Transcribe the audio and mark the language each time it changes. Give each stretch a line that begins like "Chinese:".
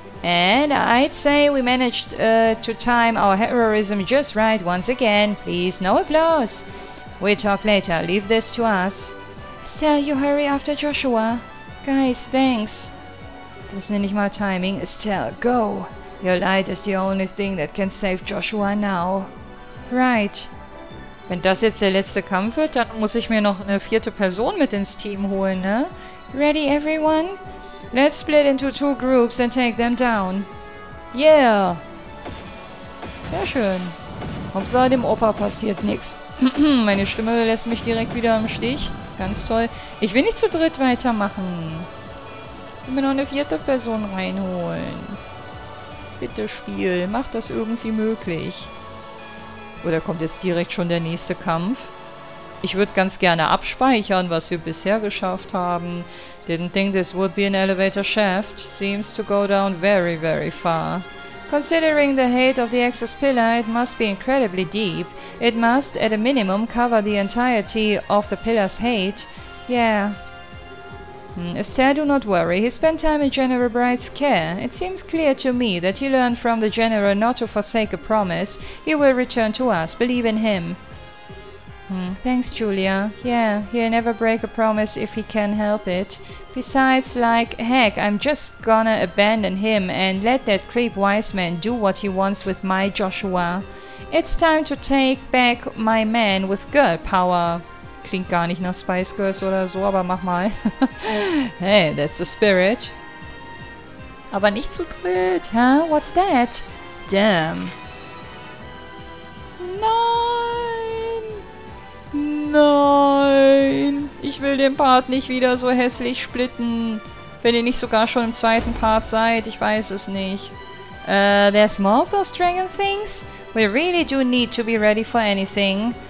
English: And I'd say we managed to time our heroism just right once again. Please, no applause! We'll talk later, leave this to us. Still, you hurry after Joshua. Guys, thanks.
German: Das nenne ich mal Timing.
English: Estelle, go. Your light is the only thing that can save Joshua now. Right.
German: Wenn das jetzt der letzte Kampf wird, dann muss ich mir noch eine vierte Person mit ins Team holen, ne?
English: Ready, everyone? Let's split into two groups and take them down.
German: Yeah. Sehr schön. Hauptsache dem Opa passiert nichts. Meine Stimme lässt mich direkt wieder im Stich. Ganz toll. Ich will nicht zu dritt weitermachen. Ich will mir noch eine vierte Person reinholen. Bitte, Spiel, mach das irgendwie möglich. Oder kommt jetzt direkt schon der nächste Kampf? Ich würde ganz gerne abspeichern, was wir bisher geschafft haben.
English: Didn't think this would be an elevator shaft. Seems to go down very, very far. Considering the height of the access pillar, it must be incredibly deep. It must, at a minimum, cover the entirety of the pillar's height. Yeah. Estelle, do not worry. He spent time in General Bright's care. It seems clear to me that he learned from the General not to forsake a promise. He will return to us. Believe in him. Thanks, Julia. Yeah, he'll never break a promise if he can help it. Besides, like, heck, I'm just gonna abandon him and let that creep wise man do what he wants with my Joshua. It's time to take back my man with girl power.
German: Klingt gar nicht nach Spice Girls oder so, aber mach mal.
English: Hey, that's the spirit.
German: Aber nicht zu dritt,
English: huh? What's that? Damn.
German: Nein! Nein! Ich will den Part nicht wieder so hässlich splitten. Wenn ihr nicht sogar schon im zweiten Part seid, ich weiß es nicht.
English: There's more of those dragon things? We really do need to be ready for anything.